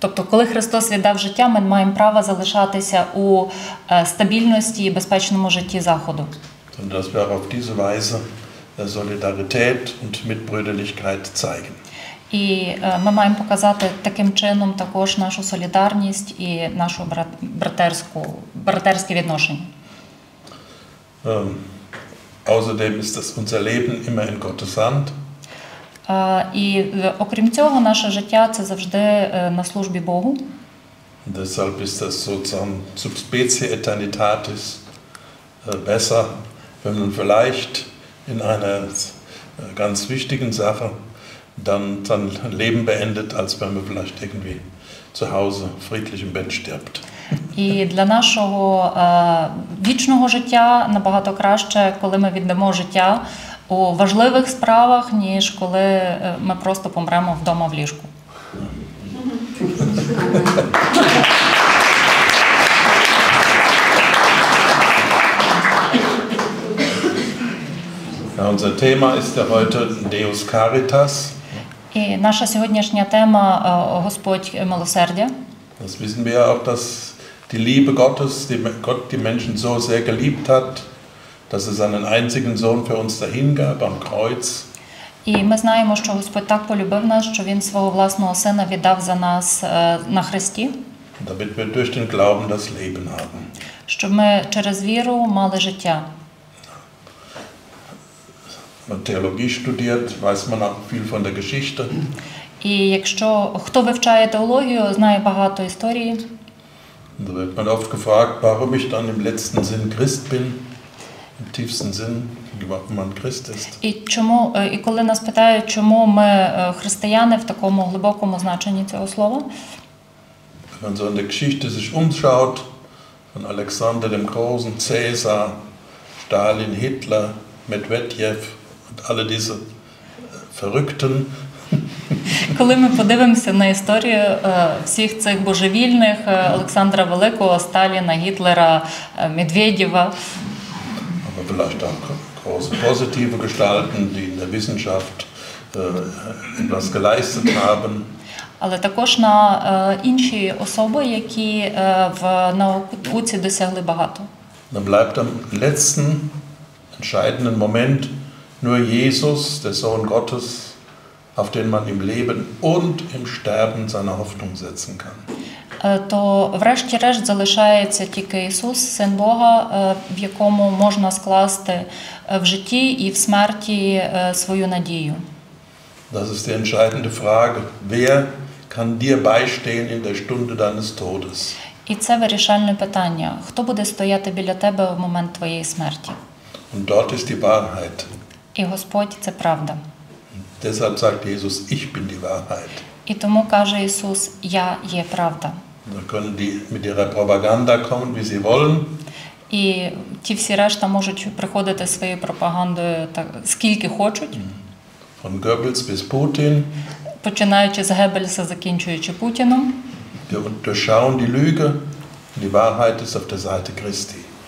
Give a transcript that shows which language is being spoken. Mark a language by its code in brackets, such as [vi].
[uk] Коли Христос віддав життя, ми маємо право залишатися у стабільності і безпечному житті Заходу. [de] Und dass wir auf diese Weise Solidarität und Mitbrüderlichkeit zeigen. [uk] І ми маємо показати таким чином також нашу солідарність і нашу братерські відношення. [de] Außerdem ist das unser Leben immer in Gottes Hand. [uk] І окрім цього, наше життя – це завжди на службі Богу. [de] Deshalb ist das sozusagen [la] sub specie eternitatis [de] besser, wenn man vielleicht in einer ganz wichtigen Sache dann sein Leben beendet, als wenn man vielleicht irgendwie zu Hause friedlich im Bett stirbt. [uk] І для нашого вічного життя набагато краще, коли ми віддамо життя у важливих справах, ніж коли ми просто помремо вдома в ліжку. [de] Unser Thema ist ja heute Deus Caritas. [uk] І наша сьогоднішня тема – Господь Милосердя. [de] Das wissen wir ja auch, dass die Liebe Gottes, die Gott die Menschen so sehr geliebt hat, dass er seinen einzigen Sohn für uns dahingab am Kreuz. [uk] І ми знаємо, що Господь так полюбив нас, що він свого власного сина віддав за нас на хресті. [de] Damit wir durch den Glauben das Leben haben. [uk] Щоб ми через віру мали життя. [de] Man Theologie studiert, weiß man auch viel von der Geschichte. [uk] І якщо хто вивчає теологію, знає багато історії. [de] Da wird man oft gefragt, warum ich dann im letzten Sinn Christ bin. Im tiefsten Sinn, warum man Christ ist. [uk] І коли нас питають, чому ми християни в такому глибокому значенні цього слова? [de] Wenn man so in der Geschichte sich umschaut, von Alexander dem Großen, Cäsar, Stalin, Hitler, Medvedev und alle diese Verrückten. [uk] Коли ми подивимося на історію всіх цих божевільних, Олександра Великого, Сталіна, Гітлера, Медведєва, [de] vielleicht auch große positive Gestalten, die in der Wissenschaft etwas geleistet haben. [uk] Але також на інші особи, які в науці досягли багато. [de] Dann bleibt am letzten entscheidenden Moment nur Jesus, der Sohn Gottes, auf den man im Leben und im Sterben seine Hoffnung setzen kann. [uk] То врешті-решт залишається тільки Ісус, Син Бога, в якому можна скласти в житті і в смерті свою надію. [de] Das ist die entscheidende Frage, wer kann dir beistehen in der Stunde deines Todes? [uk] І це вирішальне питання. Хто буде стояти біля тебе в момент твоєї смерті? [de] Und dort ist die Wahrheit. [uk] І Господь – це правда. [de] Deshalb sagt Jesus, ich bin die Wahrheit. [uk] І тому каже Ісус, я є правда. [de] Dann können die mit ihrer Propaganda kommen, wie sie wollen. [uk] І ті всі решта можуть приходити своєю пропагандою, так, скільки хочуть. [de] Von Goebbels bis Putin. [uk] Починаючи з Геббельса, закінчуючи Путіном. [de] Wir unterschauen die Lüge, die Wahrheit ist auf der Seite Christi.